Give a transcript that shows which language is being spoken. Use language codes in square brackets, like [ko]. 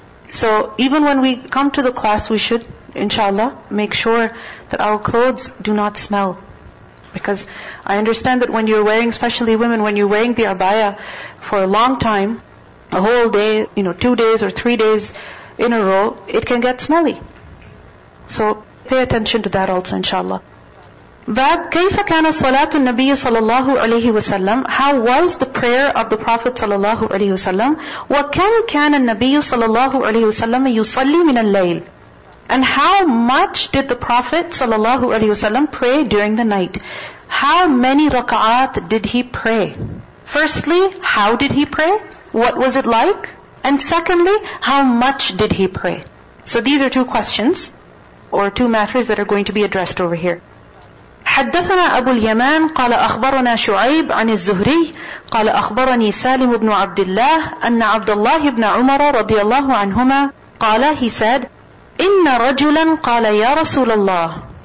[en] So even when we come to the class, we should, inshallah, make sure that our clothes do not smell. Because I understand that when you're wearing, especially women, when you're wearing the abaya for a long time, a whole day, you know, 2 days or 3 days in a row, it can get smelly. So pay attention to that also, inshallah. [ar] باب كيف كان صلاة النبي صلى الله عليه وسلم. [en] How was the prayer of the Prophet صلى الله عليه وسلم. [ar] وكم كان النبي صلى الله عليه وسلم يصلي من الليل. [en] And how much did the Prophet صلى الله عليه وسلم pray during the night. How many rak'at did he pray. Firstly, how did he pray? What was it like? And secondly, how much did he pray? So these are two questions, or two matters that are going to be addressed over here. [ar] حدثنا أبو اليمان قال أخبرنا شعيب عن الزهري قال أخبرني سالم بن عبد الله أن عبد الله بن عمر رضي الله عنهما قال [en] he said [ar] إن رجلا قال يا رسول الله.